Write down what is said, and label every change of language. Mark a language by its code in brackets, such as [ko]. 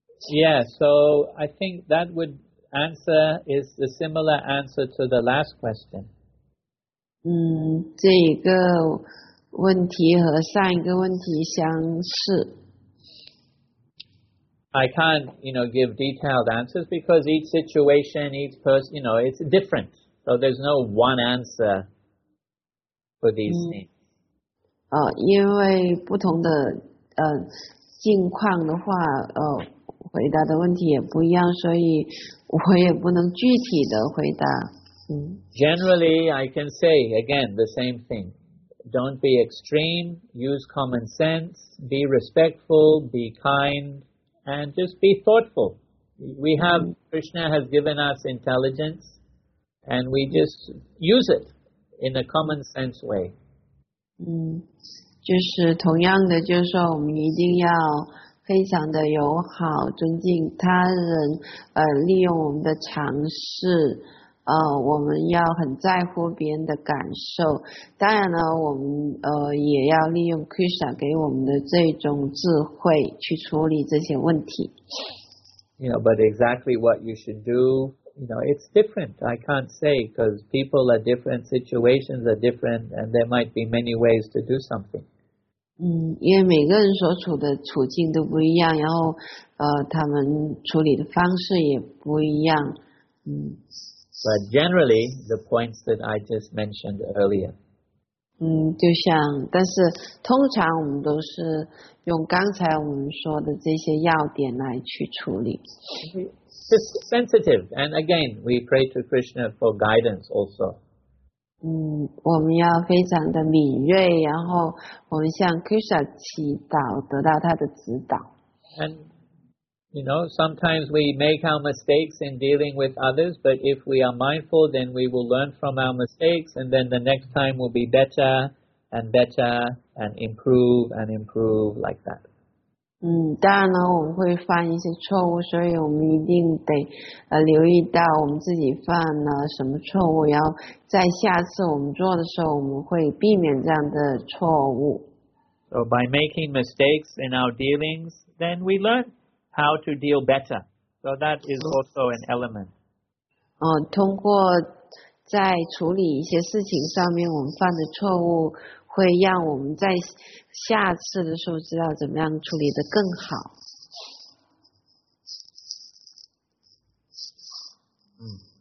[en] Yeah, so I think that would answer is a similar answer to the last question. [zh] 这个问题和上一个问题相似。 [en] I can't, you know, give detailed answers because each situation, each person, you know, it's different. So there's no one answer for these things. [zh] 因为不同的境况的话，回答的问题也不一样，所以我也不能具体的回答。 [en] Generally, I can say again the same thing. Don't be extreme, use common sense, be respectful, be kind, and just be thoughtful. We have, Krishna has given us intelligence, and we just use it in a common sense way. [zh] 就是同样的，就是说我们一定要非常的友好，尊敬他人，利用我们的常识。我们要很在乎别人的感受，当然呢，我们也要利用 Krishna 给我们的这种智慧去处理这些问题。 [en] You know, but exactly what you should do, you know, it's different. I can't say because people are different, situations are different, and there might be many ways to do something. [zh] 因为每个人所处的处境都不一样，然后他们处理的方式也不一样。 [en] But generally, the points that I just mentioned earlier. [zh] 就像，但是通常我们都是用刚才我们说的这些要点来去处理。 [en] Just sensitive. And again, we pray to Krishna for guidance also. [zh] 我们要非常的敏锐，然后我们向 Krishna 祈祷，得到他的指导。 [en] And you know, sometimes we make our mistakes in dealing with others, but if we are mindful, then we will learn from our mistakes, and then the next time will be better and better and improve like that. [zh] 当然呢，我们会犯一些错误，所以我们一定得留意到我们自己犯了什么错误，然后在下次我们做的时候，我们会避免这样的错误。 [en] So by making mistakes in our dealings, then we learn. How to deal better. So that is also an element. [zh] 通过在处理一些事情上面我们犯的错误，会让我们在下次的时候知道怎么样处理得更好。